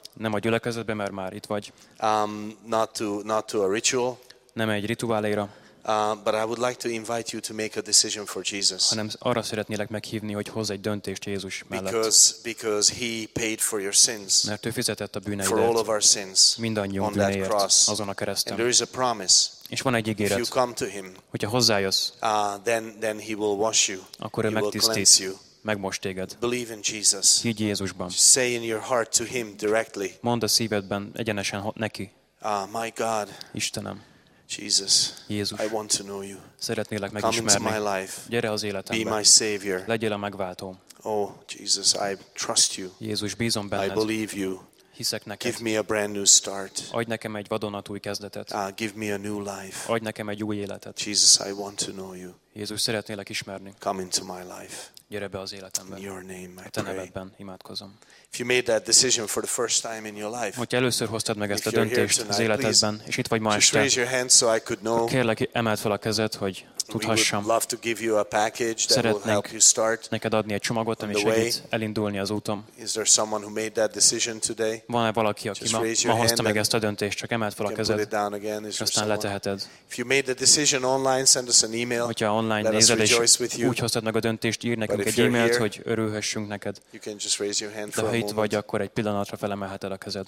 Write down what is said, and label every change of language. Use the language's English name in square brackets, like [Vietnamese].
[Hungarian] Nem a gyülekezetbe, mert már itt vagy. [English] Not to a ritual. [Hungarian] Nem egy rituáléra. [English] But I would like to invite you to make a decision for Jesus. [Hungarian] Hanem arra szeretnélek meghívni, hogy hozz egy döntést Jézus mellett. [English] Because he paid for your sins. [Hungarian] Mert ő fizetett a bűneidet. [English] For all of our sins. [Hungarian] Mindannyiunk bűneiért. Azon a kereszten. [English] And there is a promise. [Hungarian] És van egy ígéret. [English] If you come to him. [Hungarian] Hogyha hozzájössz. [English] Then he will wash you. [Hungarian] Akkor ő megtisztít. Megmost téged. [English] Believe in Jesus. [Hungarian] Higgy Jézusban. [English] Say in your heart to him directly. [Hungarian] Mondd a szívedben egyenesen neki. [English] My God. [Hungarian] Istenem. [English] Jesus, [Hungarian] Jézus, [English] I want to know you. [Hungarian] Szeretnélek megismerni. [English] Come into my life. [Hungarian] Gyere az életembe. [English] Be my savior. [Hungarian] Legyél a megváltóm. [English] Oh, Jesus, I trust you. [Hungarian] Jézus, bízom benned. [English] I believe you. [Hungarian] Hiszek neked. [English] Give me a brand new start. [Hungarian] Adj nekem egy vadonatúj kezdetet. [English] Give me a new life. [Hungarian] Adj nekem egy új életet. [English] Jesus, I want to know you. [Hungarian] Jézus, szeretnélek ismerni. [English] Come into my life. [Hungarian] Gyere be az életembe. [English] In your name, I pray. [Hungarian] Te nevedben imádkozom. [English] If you made that decision for the first time in your life. [Hungarian] Hogyha először hoztad meg ezt a döntést [English] tonight, [Hungarian] az életedben, és itt vagy ma este. [English] Raise your hand so I could know. [Hungarian] Kérlek, emeld fel a kezed, hogy tudhassam. [English] We would love to give you a package that [Hungarian] szeretnék [English] will help you start. [Hungarian] Neked adni egy csomagot, ami segít elindulni az úton. [English] Is there someone who made that decision today? [Hungarian] Van-e valaki, aki ma hozta meg ezt a döntést, csak emeld fel a kezed. [English] Put it down again. Is [Hungarian] aztán leteheted. [English] If you made the decision online, send us an email. [Hungarian] Hogyha online nézel, és úgy hoztad meg a döntést, ír nekünk egy e-mailt, hogy örülhessünk neked. [English] You can just raise your hand. [Hungarian] Itt vagy, akkor egy pillanatra felemelheted a kezed.